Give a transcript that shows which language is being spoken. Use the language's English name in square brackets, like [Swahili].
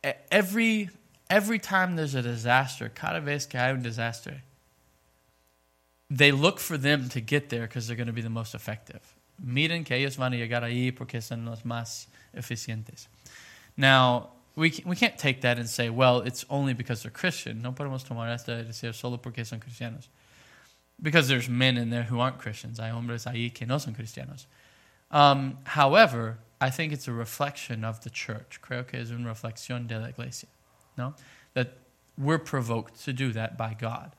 [English] Every time there's a disaster, [Spanish] cada vez que hay un desastre, [English] they look for them to get there because they're going to be the most effective. [Spanish] Miren que ellos van a llegar ahí porque son los más eficientes. [English] Now, we can't take that and say, well, it's only because they're Christian. [Spanish] No podemos tomar esto y decir solo porque son cristianos. [English] Because there's men in there who aren't Christians. [Spanish] Hay hombres ahí que no son cristianos. [English] However, I think it's a reflection of the church. [Spanish] Creo que es una reflexión de la iglesia. No? [English] That we're provoked to do that by God.